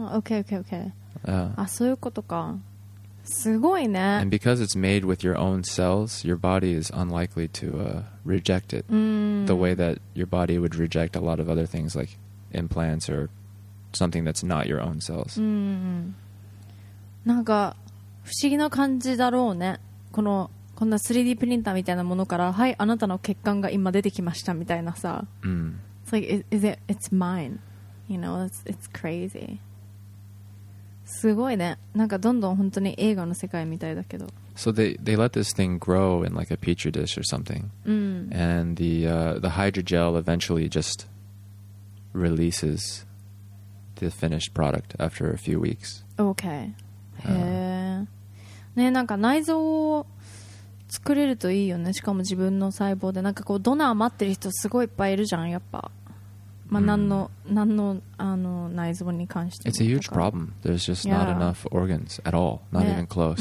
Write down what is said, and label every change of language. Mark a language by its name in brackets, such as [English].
[Japanese] Okay. そういうことか。すごいね。 [English] And because it's made with your own cells, your body is unlikely to reject it the way that your body would reject a lot of other things likeimplants or something that's not your own cells. [Japanese] なんか不思議な感じだろうね。こんな 3D プリンターみたいなものから、はい、あなたの血管が今出てきましたみたいなさ。 [English] It's like, it's mine. You know, it's crazy. [Japanese] すごいね。なんかどんどん本当に映画の世界みたいだけど。 [English] So they let this thing grow in like a petri dish or something. And the hydrogel eventually justreleases the finished product after a few weeks. Okay. へえ。 [Japanese] ね、なんか内臓を作れるといいよね。しかも自分の細胞で、なんかこうドナー待ってる人すごいいっぱいいるじゃん。やっぱ、まあ、何の内臓に関しても [English] 。It's a huge problem. There's just not enough organs at all. Not even close.